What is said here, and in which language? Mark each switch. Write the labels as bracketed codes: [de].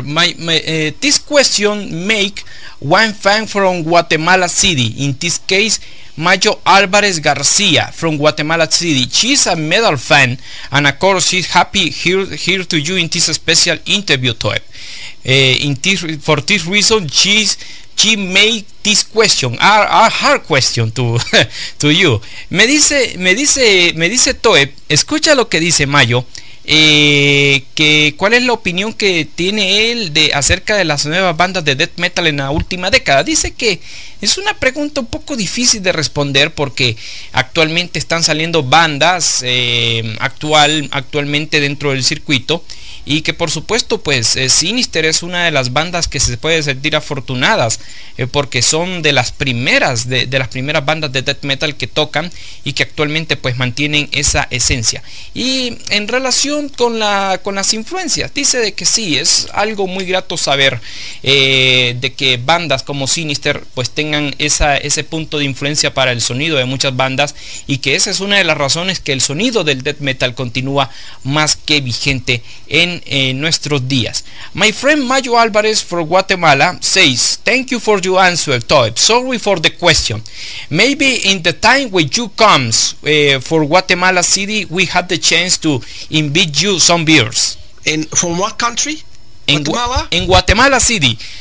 [en] This question make one fan from Guatemala City, in this case, Mayo Alvarez Garcia from Guatemala City. She's a metal fan, and of course, she's happy here to you in this special interview, Toep. For this reason, she made this question, a hard question to you. [es] Me dice Toep, escucha lo que dice Mayo. ¿Cuál es la opinión que tiene él acerca de las nuevas bandas de death metal en la última década? Dice que es una pregunta un poco difícil de responder porque actualmente están saliendo bandas actualmente dentro del circuito, y que por supuesto pues Sinister es una de las bandas que se puede sentir afortunadas porque son de las primeras de las primeras bandas de death metal que tocan y que actualmente pues mantienen esa esencia. Y en relación con las influencias, dice de que sí, es algo muy grato saber de que bandas como Sinister pues tengan ese punto de influencia para el sonido de muchas bandas, y que esa es una de las razones que el sonido del death metal continúa más que vigente en nuestros días. [en] My friend Mayo Alvarez from Guatemala says, thank you for your answer, Toep. Sorry for the question. Maybe in the time when you comes for Guatemala City, we had the chance to invite you some beers. From what country? In Guatemala? In Guatemala City.